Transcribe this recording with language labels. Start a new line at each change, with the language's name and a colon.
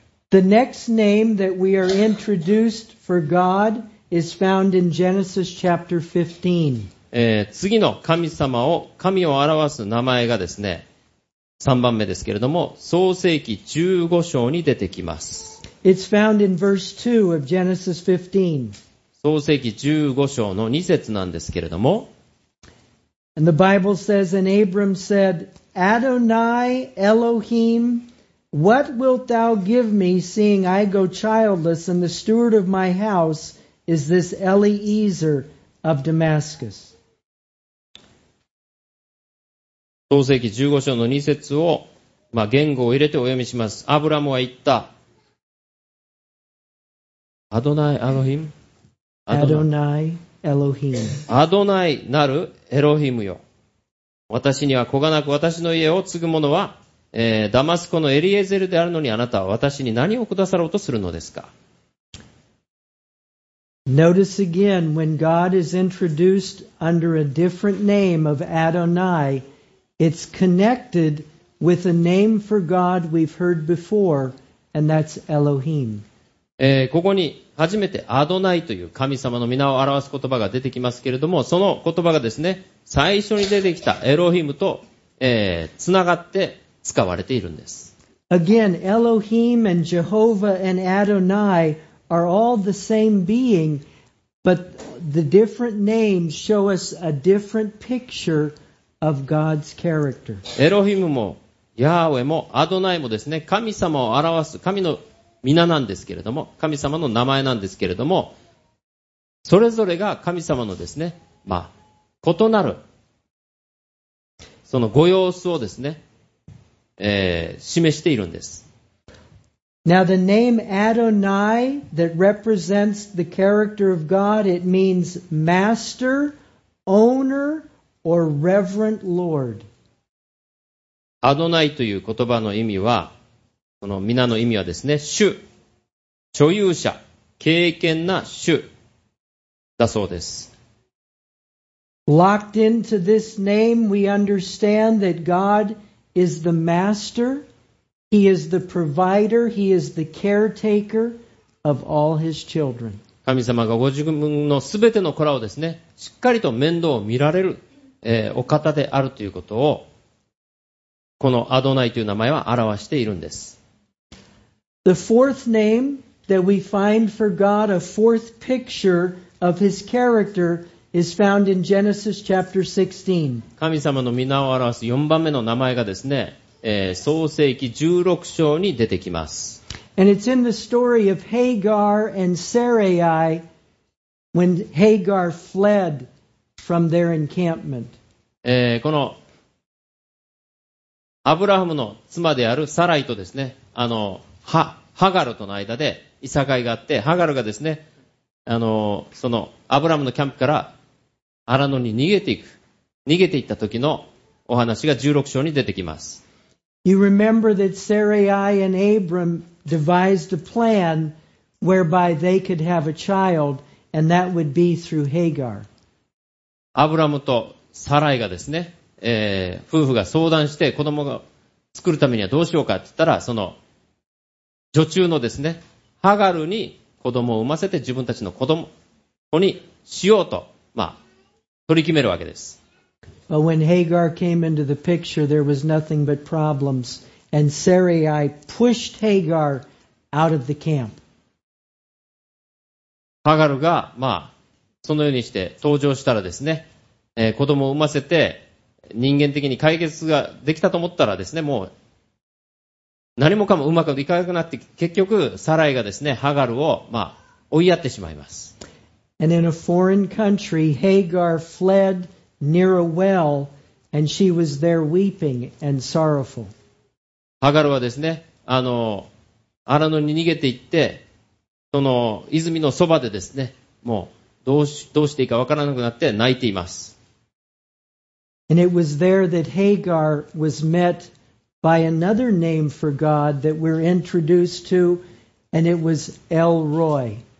English: The next name that we are introduced for God is found in Genesis chapter 15.
Japanese: 次の神様を、神を表す名前がですね、3番目ですけれども、創世記15章に出てきます。
English: It's found in verse 2 of Genesis 15.
Japanese: 創世記15章の2節なんですけれども、
English: And the Bible says, and Abram said, Adonai Elohim, what wilt thou give me, seeing I go childless, and the steward of my house is this Eliezer of Damascus?
Japanese: 創世記15章の2節を、言語を入れてお読みします。アブラムは言った。アドナイ・エロヒム。アドナイ・エロヒム。アドナイなるエロヒムよ。私には子がなく、私の家を継ぐ者は、ダマスコのエリエゼルであるのに、あなたは私に何をくださろうとするのですか。
English: Notice again, when God is introduced under a different name of Adonai,It's connected with a name for God we've heard before, and that's Elohim.
Japanese: ここに初めてアドナイという神様の名を表す言葉が出てきますけれども、その言葉がですね、最初に出てきたエロヒムと、つながって使われているんです。
English: Again, Elohim and Jehovah and Adonai are all the same being, but the different names show us a different picture. Of God's character.
Japanese: エロヒムもヤーウェもアドナイもですね、神様を表す神の名なんですけれども、神様の名前なんですけれども、それぞれが神様のですね、異なるそのご様子をですね、示しているんです。
English: Now the name Adonai that represents the character of God, it means master, owner. Or reverent Lord.
Japanese: アドナイという言葉の意味は、この皆の意味はですね、主、所有者、敬虔な主だそうです。
English: Locked into this name, we understand that God is the master, He is the provider, He is the caretaker of all His children.
Japanese: 神様がご自分のすべての子らをですね、しっかりと面倒を見られる。お方であるということをこのアドナイという名前は表しているんです。
English: The fourth name that we find for God, a fourth picture of His character, is found in Genesis chapter 16.
Japanese: 神様の名を表す4番目の名前がですね、創世記16章に出てきます。
English: And it's in the story of Hagar and Sarai when Hagar fled. From their encampment.
Japanese: このアブラハムの妻であるサライとですね、ハガルとの間でいさかいがあって、ハガルがですね、そのアブラハムのキャンプからアラノに逃げていった時のお話が16章に出てきます。
English: You remember that Sarai and Abram devised a plan whereby they could have a child, and that would be through Hagar.
Japanese: アブラムとサライがですね、夫婦が相談して子供を作るためにはどうしようかって言ったら、その女中のですね、ハガルに子供を産ませて自分たちの子供子にしようと、取り決めるわけです。
English: But when Hagar came into the picture, there was nothing but problems, and Sarai pushed Hagar out of the camp.
Japanese: ハガルがそのようにして登場したらですね、子供を産ませて人間的に解決ができたと思ったらですね、もう何もかもうまくいかなくなって、結局サライがですね、ハガルを追いやってしまいます。
English: And in a foreign country, Hagar fled near a well, and she was there weeping and sorrowful.
Japanese: ハガルはですね、アラノに逃げていって、その泉のそばでですね、もうどうしていいか分からなくなって泣いています。
English: And it was there that Hagar was met by another name for God that we're introduced to, and it was El-Roi.